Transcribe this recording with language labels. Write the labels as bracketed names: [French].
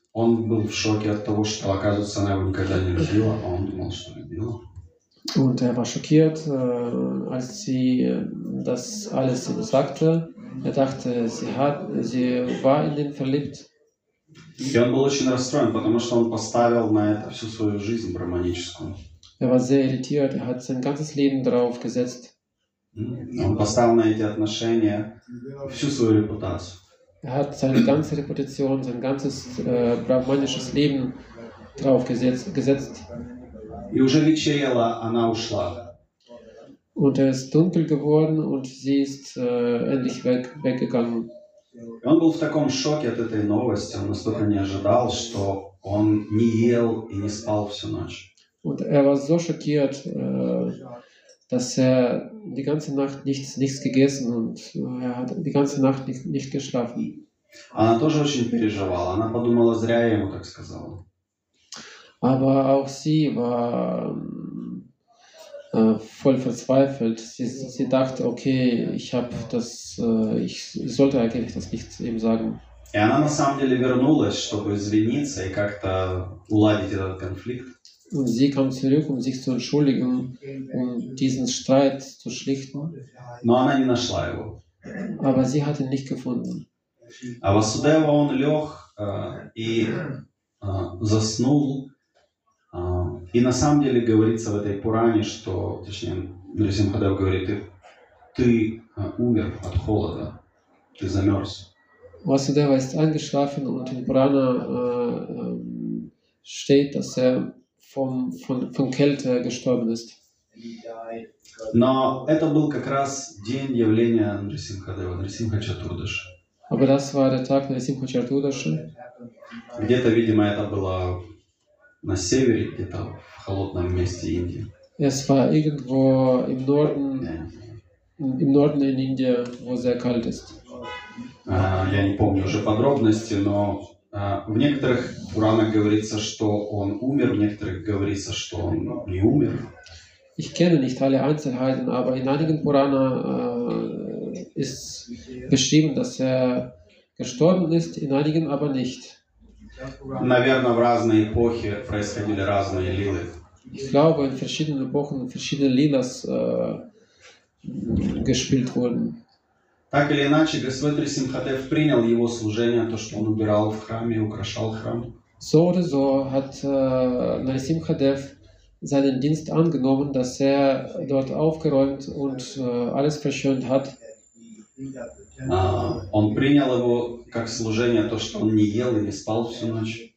[Russian] Он был в шоке от того, что, оказывается, она его никогда не любила, а он думал, что любила. [German] Und er war schockiert, als sie das alles sagte. Er dachte, sie war in den verliebt. [Russian] И он был очень расстроен, потому что он поставил на это всю свою жизнь брахманическую. [German] Er war sehr irritiert, er hat sein ganzes Leben darauf gesetzt. [Russian] Он поставил на эти отношения всю свою репутацию. [German] Er hat seine ganze Reputation, sein ganzes brahmanisches Leben darauf gesetzt. [Russian] И уже вечерело, она ушла. [German] Und es ist dunkel geworden und sie ist endlich weggegangen. [Russian] И он был в таком шоке от этой новости, он настолько не ожидал, что он не ел и не спал всю ночь. [German] Und er war so schockiert, dass er die ganze Nacht nichts gegessen und er hat die ganze Nacht nicht geschlafen. [Russian] Она тоже очень переживала, она подумала, зря я ему так сказала. [German] Aber auch sie war voll verzweifelt. Sie dachte, okay, ich habe das, ich sollte eigentlich das nicht ihm sagen. [Russian] И она на самом деле вернулась, чтобы извиниться и как-то уладить этот конфликт. [German] Und sie kam zurück, um sich zu entschuldigen, um diesen Streit zu schlichten. [Russian] Но она не нашла его. [German] Aber sie hat ihn nicht gefunden. Aber [Russian] Судева он лег и заснул. И на самом деле говорится в этой Пуране, что, точнее, Нарасимхадев говорит, ты умер от холода, ты замерз. [German] Васудева ist eingeschlafen und in Purana steht, dass er von Kälte gestorben ist. [Russian] Но это был как раз день явления Нарасимхадева, Нарасимха Чатурдаши. [German] Aber das war der Tag Нарасимха Чатурдаши. [Russian] Где-то, видимо, это было на севере, где-то в холодном месте Индии. [German] Es war irgendwo im Norden, im Norden in India, wo sehr kalt ist. [Russian] Я не помню уже подробности, но в некоторых Пуранах говорится, что он умер, в некоторых говорится, что он не умер. [German] Ich kenne nicht alle Einzelheiten, aber in einigen Purana ist beschrieben, dass er gestorben ist, in einigen aber nicht. [Russian] Наверное, в разные эпохи происходили разные лилы. [German] Ich glaube, in verschiedenen Epochen verschiedene Lilas gespielt wurden. [Russian] Так или иначе, Господь Нарасимхадев принял его служение, то, что он убирал в храме, украшал храм. [German] So oder so hat Нарасимхадев seinen Dienst angenommen, dass er dort aufgeräumt und alles verschönt hat. [Russian] Он принял его как служение, то, что он не ел и не спал всю ночь.